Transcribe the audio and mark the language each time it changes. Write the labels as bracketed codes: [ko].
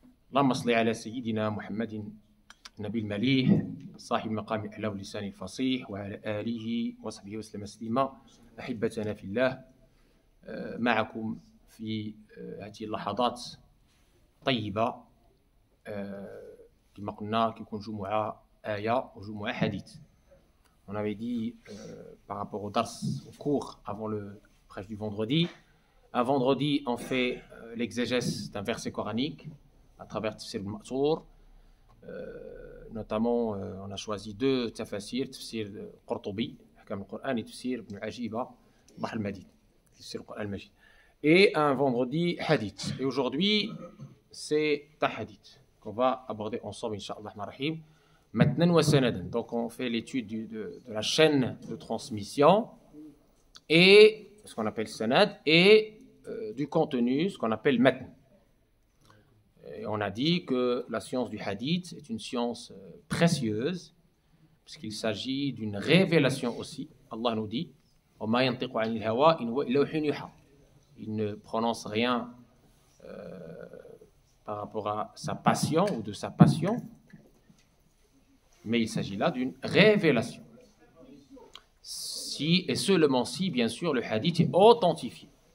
[ar] اللهم صل على سيدنا محمد النبي المليح صاحب مقام أعلى واللسان الفصيح وعلى آله وصحبه وسلم تسليما. أحبتنا في الله، معكم في هذه اللحظات الطيبة، كما قلنا كيكون جمعة آية وجمعة حديث. [fr] On avait dit par rapport au dars, au cours avant le prêche du vendredi. Un vendredi, on fait l'exégèse d'un verset coranique à travers Tafsir al-Ma'thur. Notamment, on a choisi deux tafsir, Tafsir Qurtubi, Ahkam al-Qur'an, et Tafsir Ibn Ajiba, Bahr al-Madid, Tafsir al-Majid. Et un vendredi, hadith. Et aujourd'hui, c'est ta hadith qu'on va aborder ensemble, Inch'Allah al-Rahim. Matnan wa sanadan. Donc, on fait l'étude de la chaîne de transmission et ce qu'on appelle sanad et du contenu, ce qu'on appelle matn. Et on a dit que la science du hadith est une science précieuse puisqu'il s'agit d'une révélation aussi. Allah nous dit [ar] وَمَا يَنْتِقُ عَنِ الْهَوَىٰ إِنْ هُوَ إِلَّا وَحْيٌ يُحَىٰ. [fr] Il ne prononce rien par rapport à sa passion ou de sa passion. Mais il s'agit là d'une révélation. Si et seulement si, bien sûr, le hadith est authentifié.